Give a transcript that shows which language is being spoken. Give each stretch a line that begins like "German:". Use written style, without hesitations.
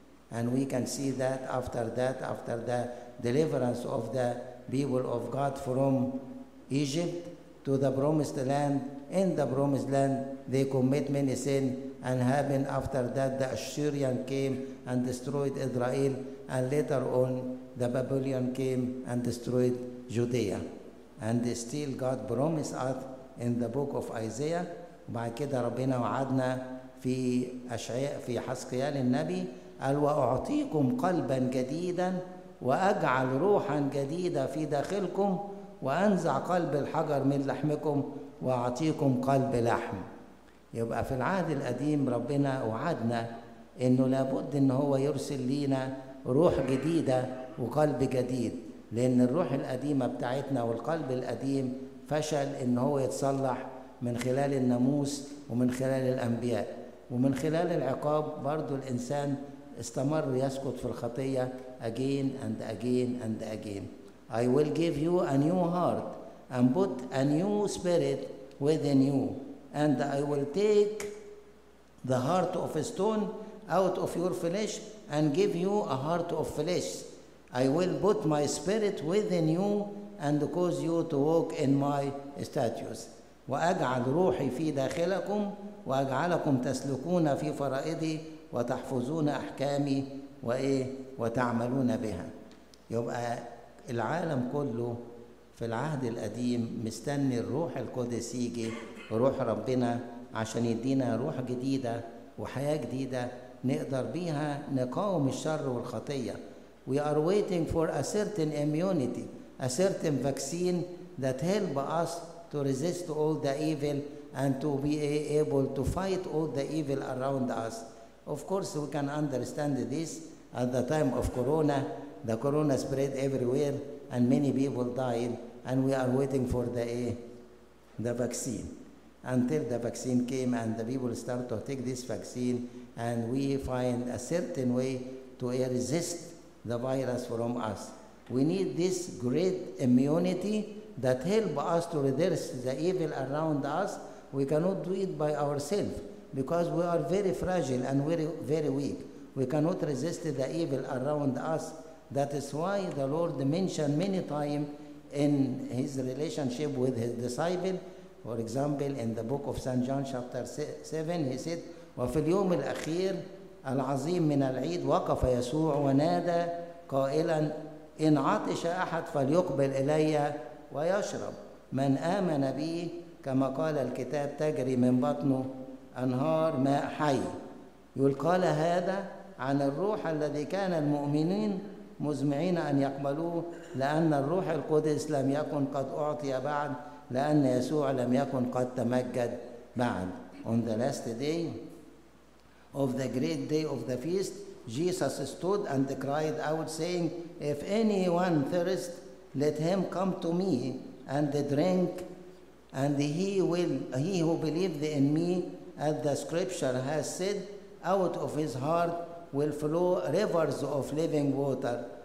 English: And we can see that after the deliverance of the people of God from Egypt to the promised land, in the promised land they commit many sin, and having after that the Assyrian came and destroyed Israel, and later on the Babylon came and destroyed Judea. And still God promised us in the book of Isaiah.
Arabic: بعد كده ربنا وعدنا في أشعياء في حزقيال النبي قال وأعطيكم قلبا جديدا وأجعل روحا جديدة في داخلكم وأنزع قلب الحجر من لحمكم وأعطيكم قلب لحم. يبقى في العهد القديم ربنا وعدنا إنه لابد إن هو يرسل لنا روح جديدة وقلب جديد, لأن الروح القديمة بتاعتنا والقلب القديم فشل إن هو يتصلح من خلال الناموس ومن خلال الأنبياء ومن خلال العقاب برضو الإنسان استمر يسقط في الخطية
English: again and again and again. I will give you a new heart and put a new spirit within you, and I will take the heart of a stone out of your flesh and give you a heart of flesh. I will put my spirit within you and cause you to walk in my statutes.
Arabic: وأجعل روحي في داخلكم وأجعلكم تسلكون في فرائدي وتحفظون أحكامي وإيه وتعملون بها. يبقى العالم كله في العهد القديم مستني الروح القدس يجي، روح ربنا، عشان يدينا روح جديدة وحياة جديدة نقدر بيها نقاوم الشر والخطية.
English: We are waiting for a certain immunity, a certain vaccine that help us to resist all the evil and to be able to fight all the evil around us. Of course, we can understand this at the time of Corona. The Corona spread everywhere and many people died, and we are waiting for the vaccine. Until the vaccine came and the people start to take this vaccine, and we find a certain way to resist the virus from us. We need this great immunity that help us to reverse the evil around us. We cannot do it by ourselves because we are very fragile and very, very weak. We cannot resist the evil around us. That is why the Lord mentioned many times in his relationship with his disciple. For example, in the book of St. John chapter 7, he said,
Arabic: وفي اليوم الأخير العظيم من العيد وقف يسوع ونادى قائلا إن عطش أحد فليقبل إلي ويشرب. من آمن بي كما قال الكتاب تجري من بطنه أنهار ماء حي. يقال هذا عن الروح الذي كان المؤمنين مزمعين أن يقبلوه، لأن الروح القدس لم يكن قد أعطي بعد، لأن يسوع لم يكن قد تمجد بعد.
English: On the last day of the great day of the feast, Jesus stood and cried out saying, if anyone thirst, let him come to me and drink, and he who believed in me, as the scripture has said, out of his heart will flow rivers of living water.